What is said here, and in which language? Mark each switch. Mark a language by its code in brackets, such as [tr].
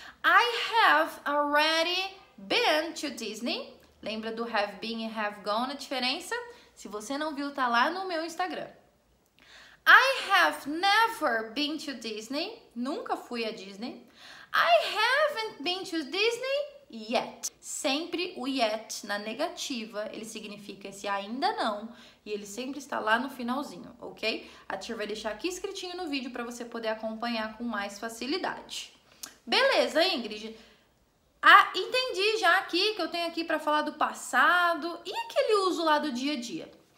[en] I have already been to Disney. [pt] Lembra do have been e have gone, a diferença? Se você não viu, tá lá no meu Instagram. [en] I have never been to Disney. [pt] Nunca fui a Disney. [en] I haven't been to Disney yet. [pt] Sempre o yet na negativa, ele significa esse ainda não, e ele sempre está lá no finalzinho, ok? A tia vai deixar aqui escritinho no vídeo para você poder acompanhar com mais facilidade. Beleza, Ingrid? Ah, entendi já aqui que eu tenho aqui para falar do passado, e aquele uso lá do dia a dia?